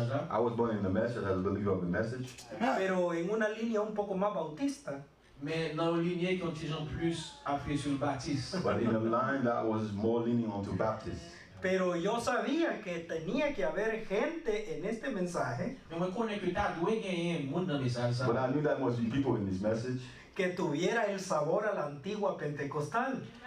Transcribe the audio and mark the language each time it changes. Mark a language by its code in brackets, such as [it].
[en] I was born in the message as a believer of the message. [es] Pero en una línea un poco más bautista. [en] But in a line that was more leaning onto Baptist. [es] Pero yo sabía que tenía que haber gente en este mensaje. [en] But I knew that must be people in this message. [es] Que tuviera el sabor a la antigua pentecostal.